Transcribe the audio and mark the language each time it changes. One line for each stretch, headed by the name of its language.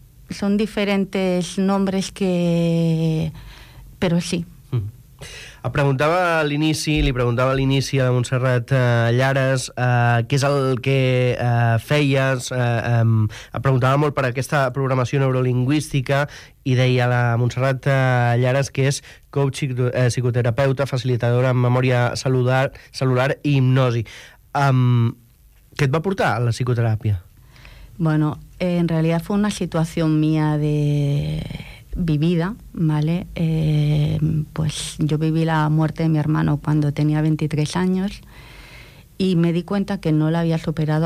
Spanish: Son diferentes nombres que... Pero sí.
Catalan: Li preguntava a l'inici a Montserrat Llares què és el que feies. Preguntava molt per aquesta programació neurolingüística i deia la Montserrat Llares que és coach psicoterapeuta, facilitadora en memòria celular i hipnosi. Què et va portar a la psicoteràpia?
Spanish: Bueno, en realidad fue una situación mía de... vivida, ¿vale? Pues yo viví la muerte de mi hermano cuando tenía 23 años y me di cuenta que no la había superado.